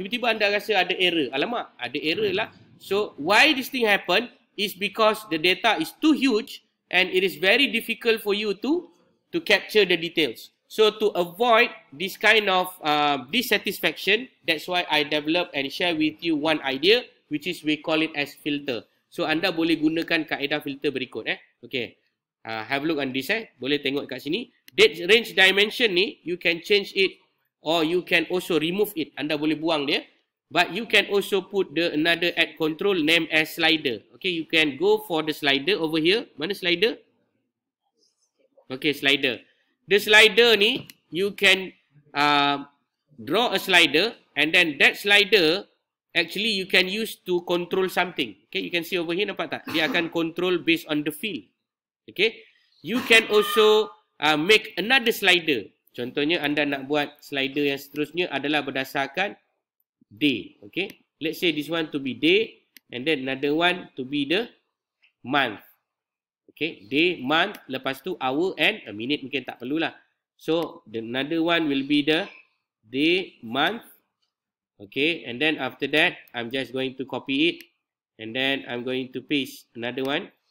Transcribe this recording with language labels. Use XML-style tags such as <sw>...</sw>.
<ms>Tiba-tiba anda rasa ada error. Alamak, ada error lah.</ms> <en>So why this thing happen is because the data is too huge and it is very difficult for you to capture the details. So to avoid this kind of dissatisfaction, that's why I develop and share with you one idea, which is we call it as filter.</en> <ms>So anda boleh gunakan kaedah filter berikut .</ms> <en>Okay. Have a look on this .</en> <ms>Boleh tengok kat sini.</ms> <en>Date range dimension ni, you can change it or you can also remove it.</en> <ms>Anda boleh buang dia.</ms> <en>But you can also put the another add control name as slider. Okay, you can go for the slider over here.</en> <ms>Mana slider?</ms> <en>Okay, slider. The slider ni, you can draw a slider and then that slider actually you can use to control something. Okay, you can see over here,</en> <ms>nampak tak? Dia akan</ms> <en>control based on the field. Okay, you can also make another slider.</en> <ms>Contohnya, anda nak buat slider yang seterusnya adalah berdasarkan day.</ms> <en>Okay, let's say this one to be day and then another one to be the month. Okay, day, month,</en> <ms>lepas tu</ms> <en>hour and a minute</en> <ms>mungkin tak perlulah.</ms> <en>So, the another one will be the day, month. Okay, and then after that, I'm just going to copy it. And then I'm going to paste another one.</en>